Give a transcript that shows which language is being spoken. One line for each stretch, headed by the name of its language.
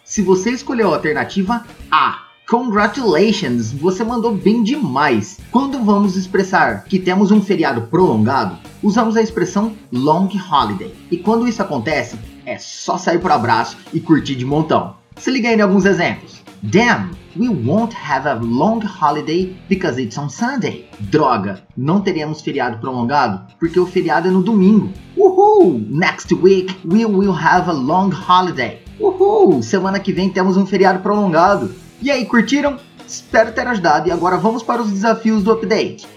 Portuguese: Se você escolheu a alternativa A, congratulations, você mandou bem demais. Quando vamos expressar que temos um feriado prolongado, usamos a expressão long holiday. E quando isso acontece, é só sair pro abraço e curtir de montão. Se liga aí em alguns exemplos.
English: Damn, we won't have a long holiday because it's on Sunday.
Portuguese: Droga, não teremos feriado prolongado porque o feriado é no domingo.
English: Uhul! Next week we will have a long holiday. Uhul!
Portuguese: Semana que vem temos um feriado prolongado. E aí, curtiram? Espero ter ajudado e agora vamos para os desafios do update.